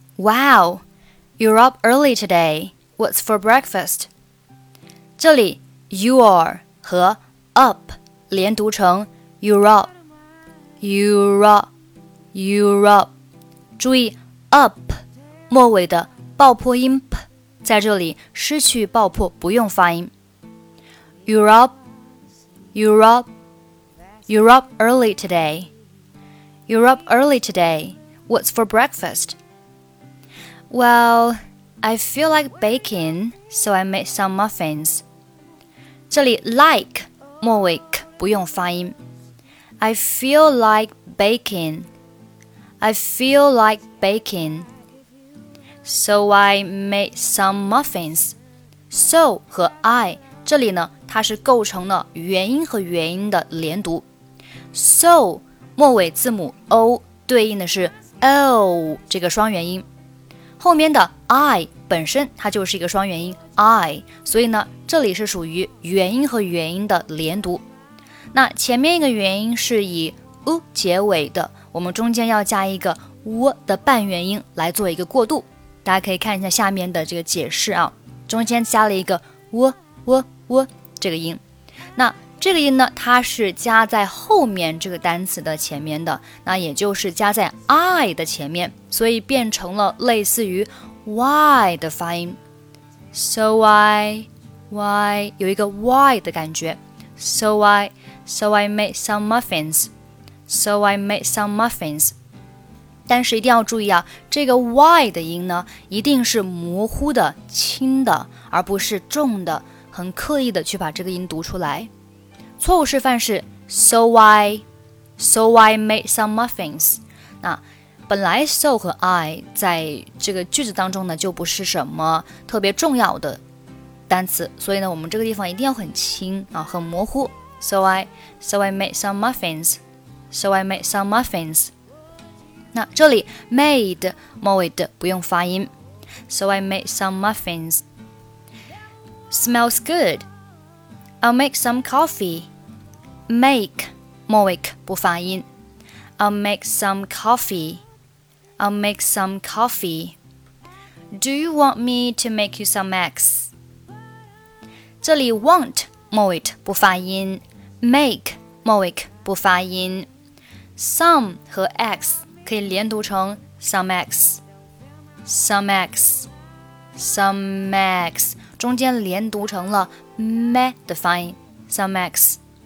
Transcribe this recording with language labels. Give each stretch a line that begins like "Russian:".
English: Wow, you're up early today. What's for breakfast?
Chinese: 这里
English: you are 和 up
Chinese: 连读成
English: you're up, you're up, you're up.
Chinese: 注意 up 末尾的爆破音 p 在这里失去爆破不用发音。
English: You're up, you're up, you're up early today. You're up early today. What's for breakfast? Well, I feel like baking, so I made some muffins.
Chinese: 这里 like, 末尾 k, 不用发音。
English: I feel like baking. I feel like baking. So I made some muffins.
Chinese: So 和 I, 这里呢它是构成了元音和元音的连读。 So, 末尾字母 O, 对应的是 O, 这个双元音。后面的 I 本身它就是一个双元音 I， 所以呢这里是属于元音和元音的连读。那前面一个元音是以 U 结尾的，我们中间要加一个 W 的半元音来做一个过渡。大家可以看一下下面的这个解释啊，中间加了一个 W W W 这个音。那这个音呢，它是加在后面这个单词的前面的，那也就是加在 I 的前面，所以变成了类似于 Y 的发音。
English: So I
Chinese: 有一个 Y 的感觉。
English: So I made some muffins. So I made some muffins.
Chinese: 但是一定要注意啊，这个 Y 的音呢，一定是模糊的、轻的，而不是重的，很刻意的去把这个音读出来。错误示范是
English: So I made some muffins。
Chinese: 那本来 so 和 I 在这个句子当中呢就不是什么特别重要的单词，所以呢我们这个地方一定要很轻啊，很模糊。
English: So I made some muffins。 So I made some muffins。
Chinese: 那这里 made 末尾的不用发音。
English: So I made some muffins。 Smells goodI'll make some coffee.
Chinese: Make, 末尾不发音。
English: I'll make some coffee. I'll make some coffee. Do you want me to make you some eggs?
Chinese: 这里 want, 末尾不发音。 Make, 末尾不发音。
English: Some 和 eggs
Chinese: 可以连读成
English: some eggs. Some eggs. Some eggs.
Chinese: 中间连读成了 me 的发音
English: some x.